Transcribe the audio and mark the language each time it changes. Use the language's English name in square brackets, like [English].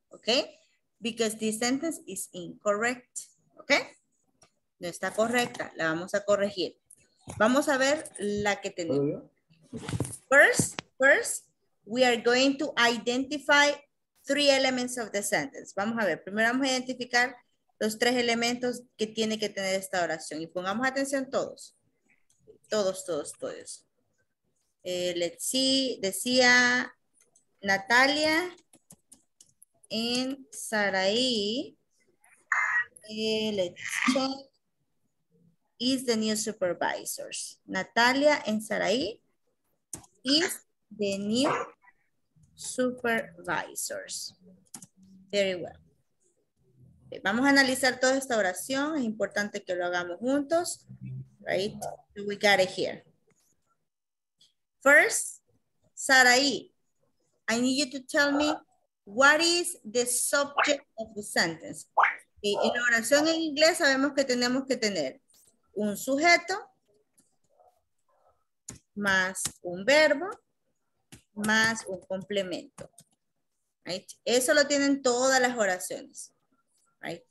[English] Okay, because this sentence is incorrect. [Spanish] Okay, no está correcta, la vamos a corregir. Vamos a ver la que tenemos. [English] First, we are going to identify 3 elements of the sentence. [Spanish] Vamos a ver, primero vamos a identificar los 3 elementos que tiene que tener esta oración. Y pongamos atención todos. Todos. [English] Let's see, decía Natalia en Sarai. Let's check. Is the new supervisors. Natalia and Sarai is the new supervisors. Very well. [Spanish] Vamos a analizar toda esta oración. Es importante que lo hagamos juntos. Right? [English] So we got it here. First, Sarai, I need you to tell me what is the subject of the sentence. [Spanish] Okay, en la oración en inglés sabemos que tenemos que tener un sujeto más un verbo más un complemento. Right? Eso lo tienen todas las oraciones. Right?